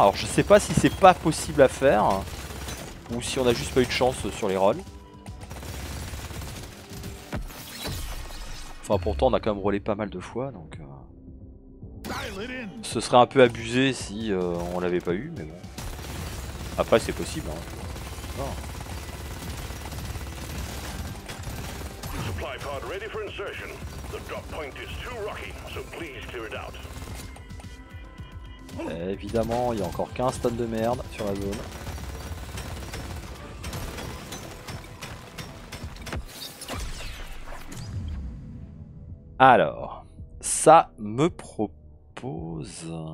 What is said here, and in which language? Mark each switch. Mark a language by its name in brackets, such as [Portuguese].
[French] Alors, je sais pas si c'est pas possible à faire. Ou si on a juste pas eu de chance sur les rolls. Enfin, pourtant, on a quand même rollé pas mal de fois. Donc. Ce serait un peu abusé si on l'avait pas eu, mais bon. Après c'est possible hein. Non. [English] Supply pod ready for insertion. The drop point is too rocky, so please clear it out. [French] Évidemment, il y a encore 15 tonnes de merde sur la zone. Alors, ça me propose.